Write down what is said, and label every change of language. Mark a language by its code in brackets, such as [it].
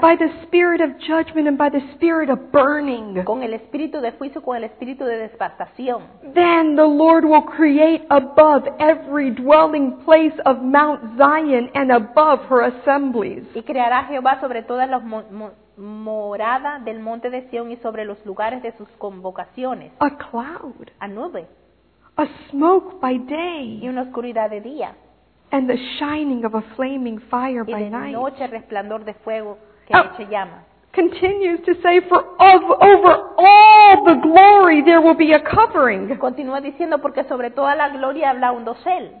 [en] By the spirit of judgment and by the spirit of burning. [es] Con el espíritu de juicio, con el espíritu de devastación. [en] Then the Lord will create above every dwelling place of Mount Zion and above her assemblies. [es] Y creará Jehová sobre todas las morada del monte de Sion y sobre los lugares de sus convocaciones. [en] A cloud. [es] A nube. [en] A smoke by day. [es] Y una oscuridad de día. [en] And the shining of a flaming fire by night. [es] Y de noche resplandor de fuego que eche llama. [en] Continues to say, for over all the glory there will be a covering. [es] Continúa diciendo, porque sobre toda la gloria habrá un dosel.